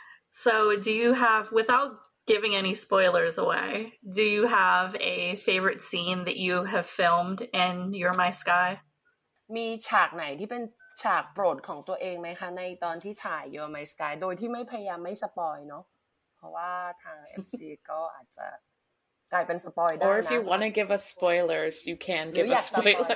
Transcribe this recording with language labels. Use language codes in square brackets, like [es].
[en] So do you have without giving any spoilers away. Do you have a favorite scene that you have filmed in You're My Sky? [th] มีฉากไหนที่เป็นฉากโปรดของตัวเองไหมคะในตอนที่ถ่าย You're My Sky โดยที่ไม่พยายามไม่สปอยเนาะเพราะว่าทาง MC ก็อาจจะ กลายเป็นสปอยได้นะ [en] Or if you want to give us spoilers you can give us spoilers